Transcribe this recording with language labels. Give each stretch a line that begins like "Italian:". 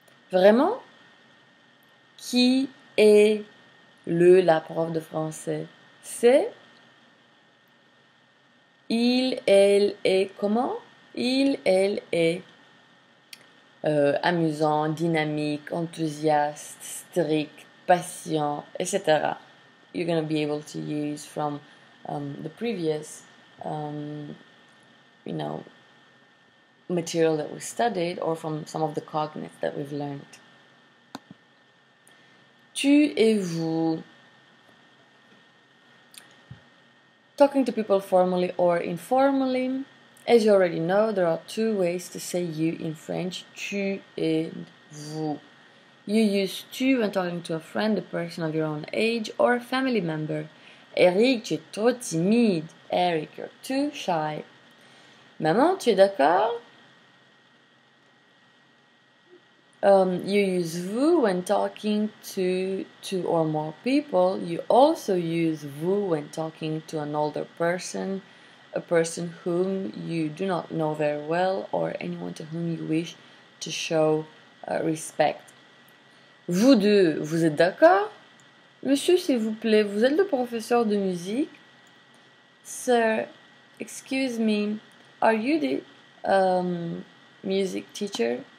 French: Vraiment? Qui est la prof de français? C'est il, elle est comment? Il, elle est amusant, dynamique, enthousiaste, strict, patient, etc.
English: You're gonna be able to use from the previous material that we studied or from some of the cognates that we've learned.
French: Tu et vous.
English: Talking to people formally or informally. As you already know, there are two ways to say you in French.
French: Tu et vous.
English: You use tu when talking to a friend, a person of your own age, or a family member.
French: Eric, tu es trop timide.
English: Eric, you're too shy.
French: Maman, tu es d'accord?
English: You use vous when talking to two or more people. You also use vous when talking to an older person, a person whom you do not know very well, or anyone to whom you wish to show respect.
French: Vous deux, vous êtes d'accord? Monsieur, s'il vous plaît, vous êtes le professeur de musique?
English: Sir, excuse me, are you the music teacher?